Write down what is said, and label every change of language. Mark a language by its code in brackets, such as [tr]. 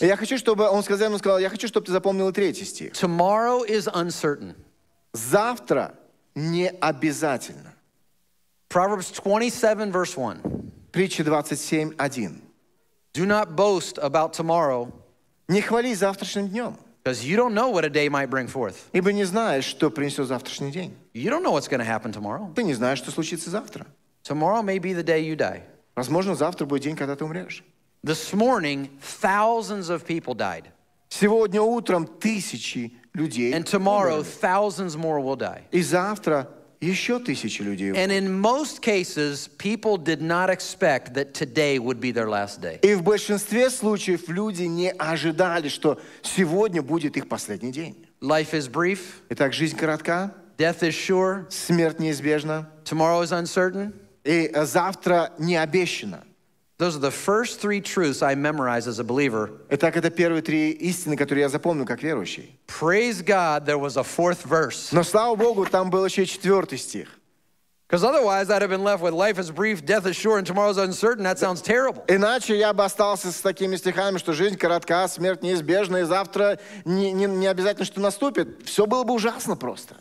[ru] Я хочу, чтобы он сказал, я хочу, чтобы ты запомнил третий стих. [en] Tomorrow is uncertain. [ru] Завтра не обязательно. [en] Proverbs 27, verse 1. [ru] Притча 27:1. [en] Do not boast about tomorrow. [ru] Не хвали завтрашним днем. [en] Because you don't know what a day might bring forth. [ru] Ибо не знаешь, что принесет завтрашний день. [en] You don't know what's going to happen tomorrow. [ru] Ты не знаешь, что случится завтра. [en] Tomorrow may be the day you die. [ru] Возможно, завтра будет день, когда ты умрешь. [en] This morning, thousands of people died. [ru] Сегодня утром тысячи людей. [en] And tomorrow, thousands more will die. [ru] И завтра еще тысячи людей. [en] And in most cases, people did not expect that today would be their last day. [ru] И в большинстве случаев люди не ожидали, что сегодня будет их последний день. [en] Life is brief. [ru] Итак, жизнь коротка. [en] Death is sure. [ru] Смерть неизбежна. [en] Tomorrow is uncertain. [ru] И завтра не обещано. [en] Those are the first three truths I memorized as a believer. [ru] Итак, это первые три истины, которые я запомнил как верующий. [en] Praise God, there was a fourth verse. [ru] Но слава Богу, там был еще четвертый стих. [en] Because otherwise I'd have been left with life is brief, death is sure, and tomorrow's uncertain. That sounds terrible. [ru] Иначе я бы остался с такими стихами, что жизнь коротка, смерть неизбежна, и завтра не обязательно, что наступит. Все было бы ужасно просто.